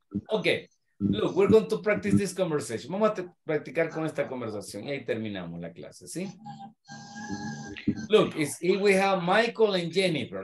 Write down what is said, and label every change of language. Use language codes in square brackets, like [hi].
[en] Ok, look, we're going to practice this conversation. [es] Vamos a practicar con esta conversación y ahí terminamos la clase, ¿sí? [en] Look, it's, here we have Michael and Jennifer.